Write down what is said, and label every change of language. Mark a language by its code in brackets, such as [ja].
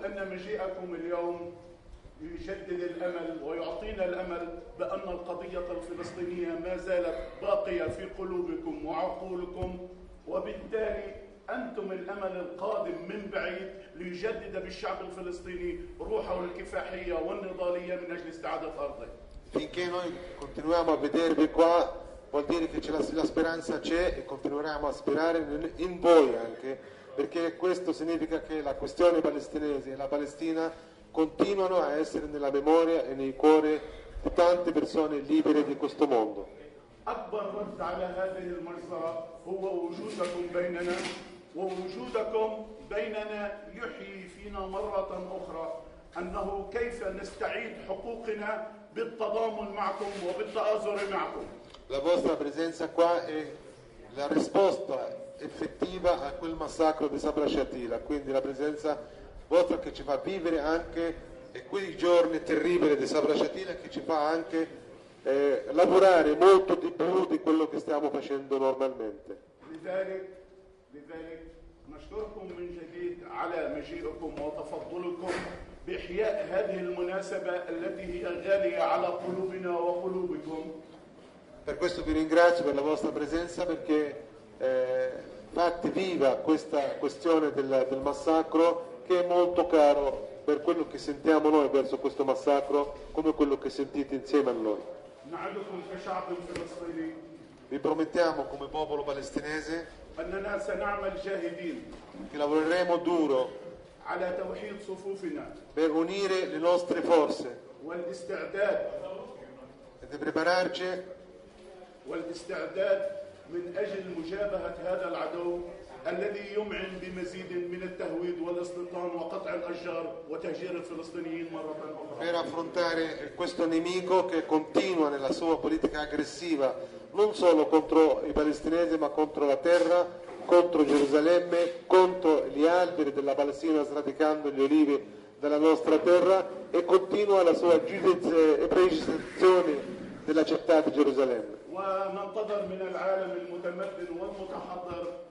[ar] يجدد الأمل ويعطينا الأمل بأن القضية الفلسطينية ما زالت باقية في قلوبكم وعقولكم، وبالتالي أنتم الأمل القادم من بعيد ليجدد بالشعب الفلسطيني روحه الكفاحية والنضالية من أجل استعادة أرضه. [it] Finché noi continuiamo a vedervi qua, vuol dire che c'è la speranza c'è e continueremo a sperare in voi anche, perché questo significa che la questione palestinese e la Palestina continuano a essere nella memoria e nei cuori di tante persone libere di questo mondo. [ar] أكبر رد على هذه المجزرة هو وجودكم بيننا، ووجودكم بيننا يحيي فينا مرة أخرى أنه كيف نستعيد حقوقنا بالتضامن معكم وبالتآزر معكم. [it] La vostra presenza qua è la risposta effettiva a quel massacro di Sabra Shatila, quindi la presenza vostra che ci fa vivere anche quei giorni terribili di Sabra Shatila, che ci fa anche lavorare molto di più di quello che stiamo facendo normalmente. [ar] لذلك نشكركم من جديد على مجيئكم وتفضلكم بإحياء هذه المناسبة التي هي غالية على قلوبنا وقلوبكم. [it] Per questo vi ringrazio per la vostra presenza perché fate viva questa questione del massacro che è molto caro per quello che sentiamo noi verso questo massacro, come quello che sentite insieme a noi. [ar] نعدكم كشعب فلسطيني [it] Vi promettiamo come popolo palestinese [ar] أننا سنعمل جاهدين [it] che lavoreremo duro [ar] على توحيد صفوفنا [it] per unire le nostre forze [ar] والاستعداد [it] e di prepararci [ar] والاستعداد من أجل مجابهة هذا العدو الذي يمعن بمزيد من التهويد والاستيطان وقطع الأشجار وتهجير الفلسطينيين مرة أخرى. [it] Per affrontare questo nemico che continua nella sua politica aggressiva non solo contro i palestinesi ma contro la terra, contro Gerusalemme, contro gli alberi della Palestina sradicando gli olivi della nostra terra e continua la sua giudizio e precisazione della città di Gerusalemme. [ar] وننتظر من العالم المتمدن والمتحضر